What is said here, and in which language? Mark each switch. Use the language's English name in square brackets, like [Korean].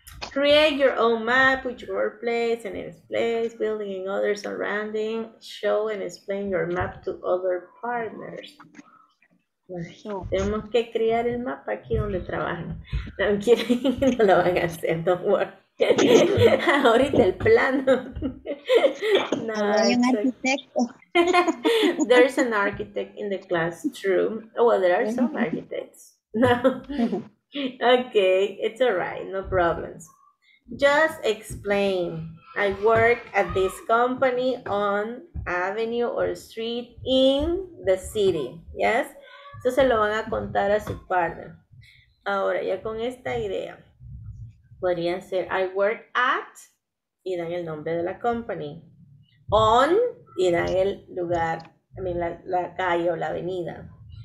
[English] create your own map with your workplace and its place, building and other surrounding. Show and explain your map to other partners. [Spanish] Tenemos que crear el mapa aquí donde trabajan. No, [English] I'm kidding. [Spanish] No lo van a hacer, [English] don't worry. [Spanish] Ahorita el plano. No, hay un arquitecto. [English] There's an architect in the classroom. Oh, well, there are some architects. No. Okay, it's all right, no problems. Just explain. I work at this company on avenue or street in the city. Yes? [Spanish] Eso se lo van a contar a su partner. Ahora, ya con esta idea, podrían ser [English] I work at, [Spanish] y dan el nombre de la company. On, y dan el lugar, también la calle o la avenida.